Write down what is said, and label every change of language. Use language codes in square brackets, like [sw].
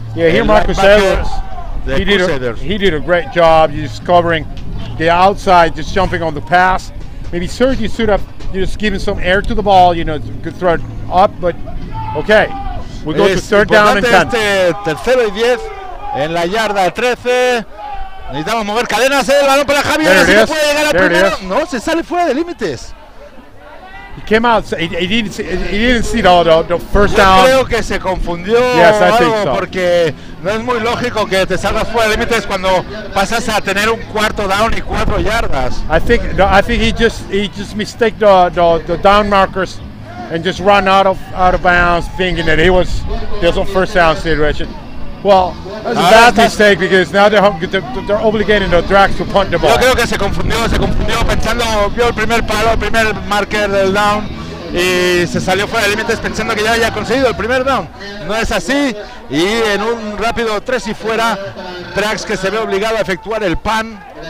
[en] Yeah, here Marcus Edwards. He did a great job just covering the outside, just jumping on the pass. Maybe Sergi stood up, just giving some air to the ball, you know, could throw it up, but okay. We go to third down and 10. [es] Tercero y 10. En la yarda 13, necesitamos mover cadenas, el balón para Javi, ahora sí que puede llegar a primero. No, se sale fuera de límites. [en] He came out, he didn't see the first down. [es] Creo que se confundió, [en] yes, I think so. [es] Porque no es muy lógico que te salgas fuera de límites cuando pasas a tener un cuarto down y cuatro yardas. [en] I think he just mistake the down markers and just run out of bounds thinking that it was a first down situation. Well, that's a bad mistake because now they're obligating the Drax to punt the ball. [es] Yo creo que se confundió pensando, vio el primer palo, el primer marker del down, y se salió fuera de límites pensando que ya había conseguido el primer down. No es así, y en un rápido 3 y fuera, Drax que se ve obligado a efectuar el pan.